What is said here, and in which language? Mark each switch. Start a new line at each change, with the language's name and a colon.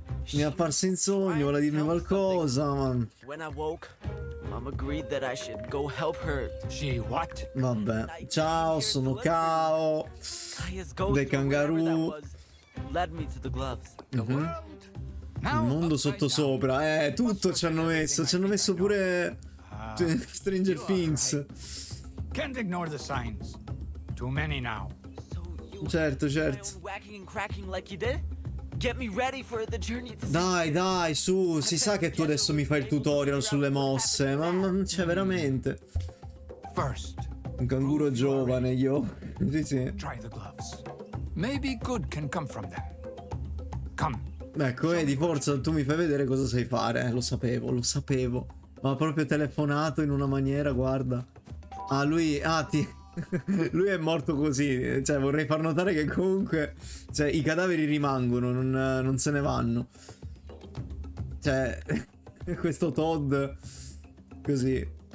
Italian: Mi è apparsa in sogno, vuole dirmi qualcosa.
English: When I woke, Mom agreed that I should go help her. She what?
Italian: Vabbè. Ciao, sono Kao.
English: The kangaroo. Led me to the gloves.
Italian: Il mondo sottosopra. Tutto ci hanno messo. Ci hanno messo pure Stranger Things.
English: Can't ignore the signs. Too many now.
Italian: Certo, certo.
English: Whacking and cracking like you did? Get me ready for the journey.
Italian: Dai, dai, su. Si sa che tu adesso mi fai il tutorial sulle mosse. Ma non c'è veramente.
English: First.
Italian: Un canguro giovane, io. Sì, sì.
English: Try the gloves. Maybe good can come from them. Come.
Italian: Ecco, di forza, tu mi fai vedere cosa sai fare. Lo sapevo, lo sapevo. Ma proprio telefonato in una maniera, guarda. Ah, lui... lui è morto così. Cioè, vorrei far notare che comunque... Cioè, i cadaveri rimangono, non se ne vanno. Cioè, questo Todd... Così.